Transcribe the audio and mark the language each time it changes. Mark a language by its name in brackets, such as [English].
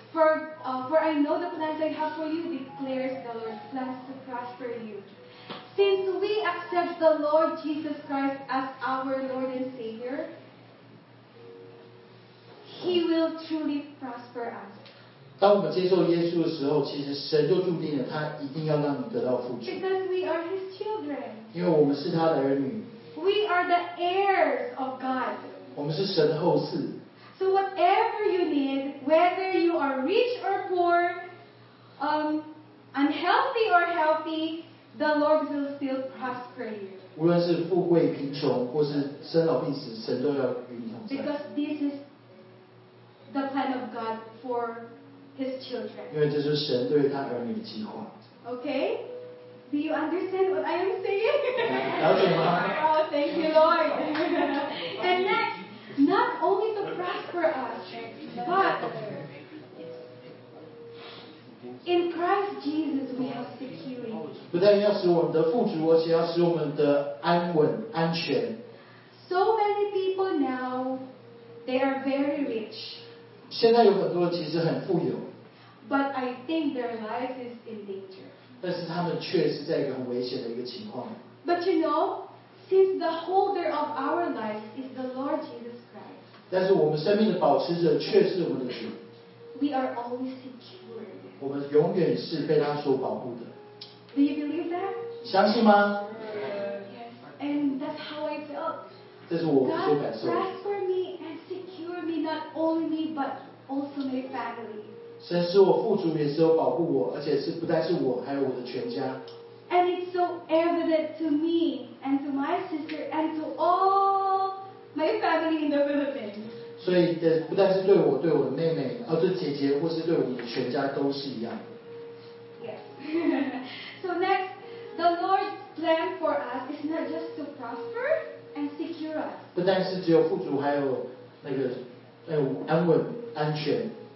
[English] For I know the plans I have for you, declares the Lord, plans to prosper you. Since we accept the Lord Jesus Christ as our Lord and Savior, He will truly prosper us. [Chinese] 当我们接受耶稣的时候，其实神就注定了他一定要让你得到富足。 [English] Because we are His children. [Chinese] 因为我们是他的儿女。 [English] We are the heirs of God. [Chinese] 我们是神的后嗣。 [English] So whatever you need, whether you are rich or poor, unhealthy or healthy, the Lord will still prosper you. [Chinese] 无论是富贵贫穷，或是生老病死，神都要与你同在。 [English] Because this is the plan of God for. [Chinese] 因为这是神对他儿女的计划。 [English] Okay, do you understand what I am saying? [Chinese] 了解吗 [English] ？Oh, thank you, Lord. And next, not only to prosper us, but in Christ Jesus we have security. [Chinese] 不但要使我们的富足，而且要使我们的安稳安全。 [English] So many people now, they are very rich. [Chinese] 现在有很多人其实很富有。 [English] But I think their life is in danger. [Chinese] 但是他们确实在一个很危险的一个情况。 [English] But you know, since the holder of our life is the Lord Jesus Christ. [Chinese] 但是我们生命的保持者却是我们的主。 [English] We are always secure. [Chinese] 我们永远是被他所保护的。 [English] Do you believe that? [Chinese] 相信吗？ [English] Yes. And that's how I felt. [Chinese] 这是我所感受的。 [English] God rest for me and secure me, not only me, but also my family. [Chinese] 神使我富足，也使我保护我，而且是不但是我，还有我的全家。 [English] And it's so evident to me and to my sister and to all my family in the Philippines. [Chinese] 所以的不但是对我，对我的妹妹，而对姐姐，或是对我们全家都是一样。 [English] Yes. So next, the Lord's plan for us is not just to prosper and secure us. [Chinese] 不但是只有富足，还有那个安稳安全。